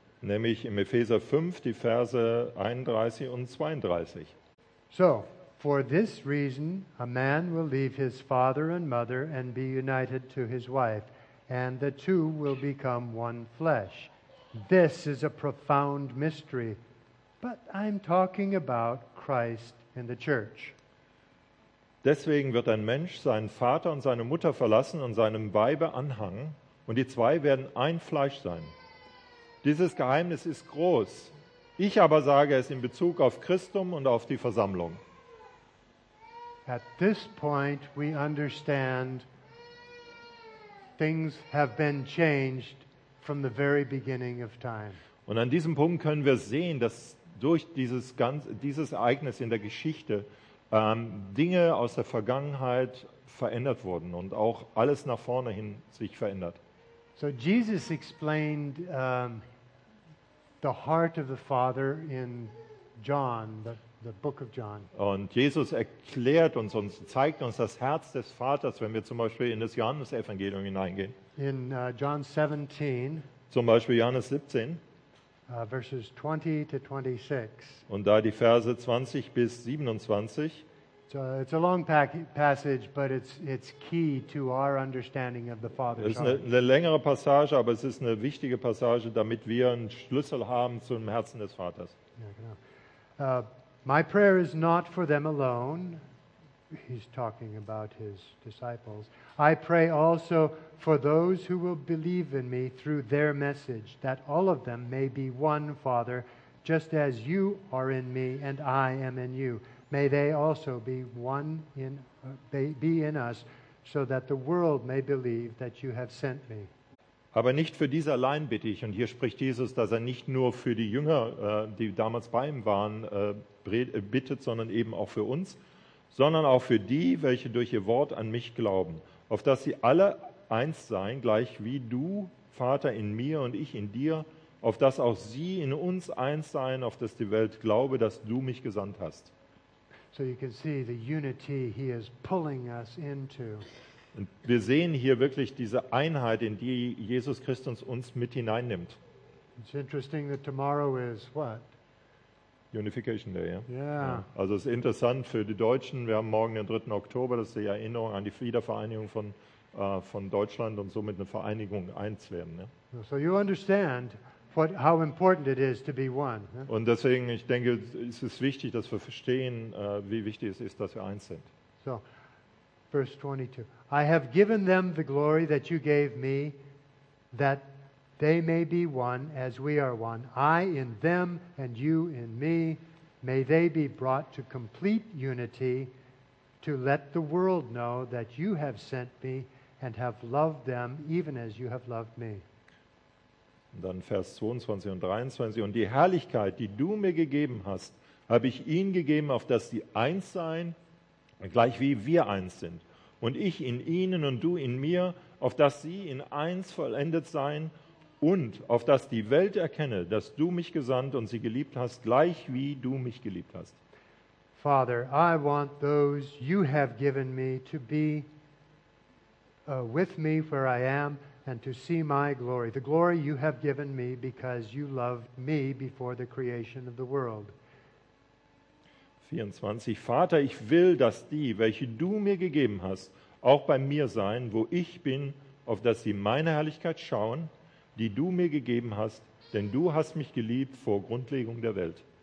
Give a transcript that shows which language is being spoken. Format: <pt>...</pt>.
<de>Nämlich im Epheser 5, die Verse 31 und 32.</de> <en>So, for this reason, a man will leave his father and mother and be united to his wife, and the two will become one flesh. This is a profound mystery, but I'm talking about Christ and the church.</en> <de>Deswegen wird ein Mensch seinen Vater und seine Mutter verlassen und seinem Weibe anhangen, und die zwei werden ein Fleisch sein. Dieses Geheimnis ist groß. Ich aber sage es in Bezug auf Christum und auf die Versammlung.</de> <en>At this point we understand things have been changed from the very beginning of time.</en> <de>Und an diesem Punkt können wir sehen, dass durch dieses Ereignis in der Geschichte Dinge aus der Vergangenheit verändert wurden und auch alles nach vorne hin sich verändert.</de> <en>So Jesus explained the heart of the Father in John, the book of John.</en> <de>Und Jesus erklärt uns und zeigt uns das Herz des Vaters, wenn wir zum Beispiel in das Johannesevangelium hineingehen.</de> <en>In John 17,</en> <de>zum Beispiel Johannes 17,</de> <en>verses 20 to 26.</en> <de>Und da die Verse 20 bis 27.</de> <en>It's a long passage, but it's key to our understanding of the Father's heart.</en> <de>Es ist eine längere Passage, aber es ist eine wichtige Passage, damit wir einen Schlüssel haben zum Herzen des Vaters.</de> <en>My prayer is not for them alone. He's talking about his disciples. I pray also for those who will believe in me through their message, that all of them may be one, Father, just as you are in me and I am in you. May they also be one in be in us, so that the world may believe that you have sent me.</en> <de>Aber nicht für diese allein bitte ich, und hier spricht Jesus, dass er nicht nur für die Jünger, die damals bei ihm waren, bittet, sondern eben auch für uns, sondern auch für die, welche durch ihr Wort an mich glauben, auf dass sie alle eins seien, gleich wie du, Vater, in mir und ich in dir, auf dass auch sie in uns eins seien, auf dass die Welt glaube, dass du mich gesandt hast.</de> <en>So you can see the unity he is pulling us into.</en> <de>Und wir sehen hier wirklich diese Einheit, in die Jesus Christus uns mit hineinnimmt.</de> <en>It's interesting that tomorrow is what? Unification Day, ja? Yeah.</en> <de>Also es ist interessant für die Deutschen, wir haben morgen den 3. Oktober, das ist die Erinnerung an die Wiedervereinigung von Deutschland und somit eine Vereinigung eins werden. Ne?</de> <en>So you understand how important it is to be one.</en> <de>Und deswegen, ich denke, es ist wichtig, dass wir verstehen, wie wichtig es ist, dass wir eins sind.</de> <en>So, verse 22. I have given them the glory that you gave me, that they may be one as we are one. I in them and you in me, may they be brought to complete unity, to let the world know that you have sent me and have loved them even as you have loved me.</en> <de>Und dann Vers 22 und 23. Und die Herrlichkeit, die du mir gegeben hast, habe ich ihnen gegeben, auf dass sie eins seien, gleich wie wir eins sind. Und ich in ihnen und du in mir, auf dass sie in eins vollendet seien und auf dass die Welt erkenne, dass du mich gesandt und sie geliebt hast, gleich wie du mich geliebt hast.</de> <en>Father, I want those you have given me to be with me where I am, and to see my glory, the glory you have given me because you loved me before the creation of the world. 24.</en> <de>Vater, ich will, dass die, welche du mir gegeben hast, auch bei mir seien, wo ich bin, auf dass sie meine Herrlichkeit schauen, die du mir gegeben hast, denn du hast mich geliebt vor Grundlegung der Welt.</de>